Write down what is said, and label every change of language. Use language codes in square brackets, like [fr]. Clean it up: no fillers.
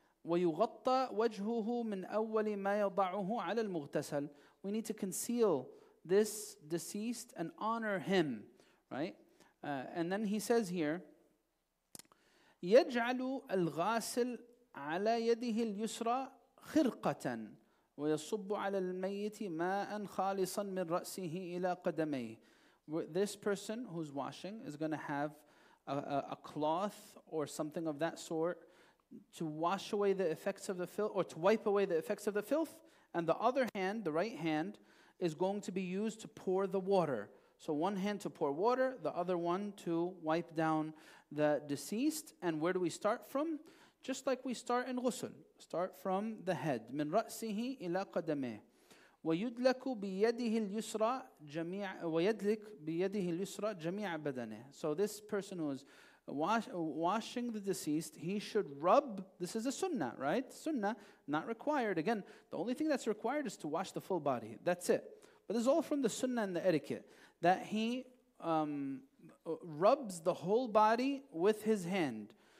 [ar] ويغطى وجهه من أول ما يضعه على المغتسل. [en] We need to conceal this deceased and honor him, right? And then he says here, [ar] يَجْعَلُ الْغَاسِلُ عَلَى يَدِهِ الْيُسْرَى خِرْقَةً وَيَصُبُّ عَلَى الْمَيِّتِ مَاءً خَالِصًا مِنْ رَأْسِهِ إِلَى قَدَمَيْهِ. [en] This person who's washing is going to have a cloth or something of that sort to wash away the effects of the filth, or to wipe away the effects of the filth, and the other hand, the right hand, is going to be used to pour the water. So one hand to pour water, the other one to wipe down the deceased. And where do we start from? Just like we start in ghusl. Start from the head. [ar] من رأسه إلى قدميه. ويدلك بيده اليسرى جميع ويدلك بيده اليسرى جميع بدنه. [en] So this person who is washing the deceased, he should rub. This is a sunnah, right? Sunnah, not required. Again, the only thing that's required is to wash the full body. That's it. But this is all from the sunnah and the etiquette, that he rubs the whole body with his hand.